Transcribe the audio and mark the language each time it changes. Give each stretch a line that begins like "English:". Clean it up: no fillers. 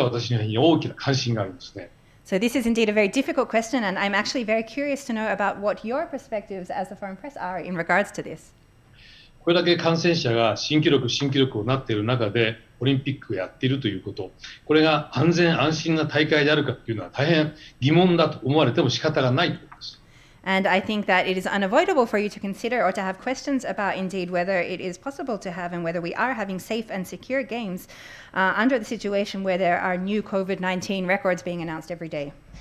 Japanese: これも非常に難しい問題だと思いますが、逆に皆さんがどう思われているか私には大きな関心がありますね。
English: So this is indeed a very difficult question, and I'm actually very curious to know about what your perspectives as the foreign press are in regards to this.
Japanese: これだけ感染者が新記録、新記録をなっている中で、オリンピックをやっているということ、これが安全安心な大会であるかというのは大変疑問だと思われても仕方がないと思います。
English: And I think that it is unavoidable for you to consider or to have questions about indeed whether it is possible to have and whether we are having safe and secure games under the situation where there are new COVID-19 records being announced every day.